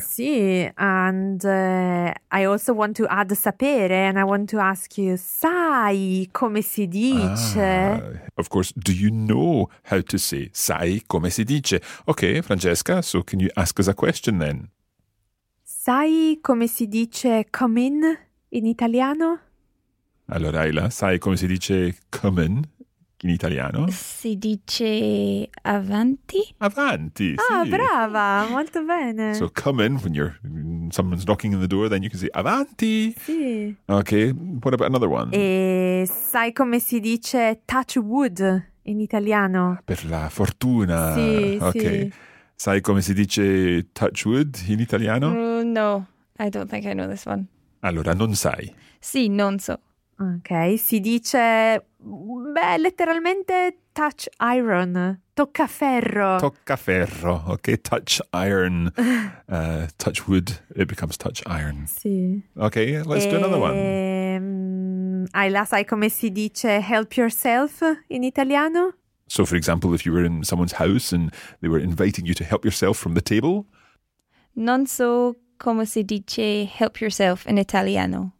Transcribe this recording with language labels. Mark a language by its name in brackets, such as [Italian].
[English] Sì, and I also want to add sapere, and I want to ask you, [Italian] sai come si dice? [English] Ah, of course, do you know how to say [Italian] sai come si dice? [English] Okay, Francesca, so can you ask us a question then? [Italian] Sai come si dice come in italiano? Allora, Ayla, sai come si dice come in? In italiano? Si dice avanti. Avanti, sì. Ah, brava, molto bene. [English] So come in, when you're someone's knocking on the door, then you can say avanti. [Italian] Sì. [English] Okay, what about another one? [Italian] E sai come si dice [English] touch wood [Italian] in italiano? Per la fortuna. Sì, okay. Sì. Sai come si dice [English] touch wood [Italian] in italiano? [English] No, I don't think I know this one. [Italian] Allora, non sai. Sì, non so. Ok, si dice, beh, letteralmente [English] touch iron, [Italian] tocca ferro. Tocca ferro, [English] ok, touch iron, touch wood, it becomes touch iron. [Italian] Sì. [English] Ok, let's do another one. [Italian] Ayla, sai come si dice [English] help yourself [Italian] in italiano? [English] So, for example, if you were in someone's house and they were inviting you to help yourself from the table? [Italian] Non so come si dice [English] help yourself [Italian] in italiano.